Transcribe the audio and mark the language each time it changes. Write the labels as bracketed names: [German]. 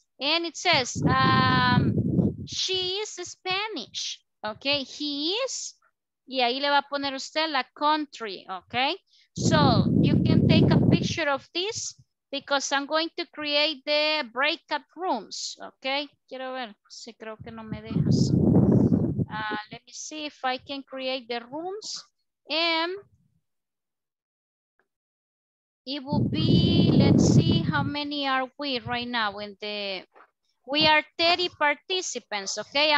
[English] And it says, she is Spanish, okay? He is, [Spanish] y ahí le va a poner usted la country, okay? [English] So you can take a picture of this because I'm going to create the breakout rooms, okay? [Spanish] Quiero ver, si creo que no me dejas. [English] Let me see if I can create the rooms. And it will be, let's see how many are we right now in the, we are 30 participants, okay?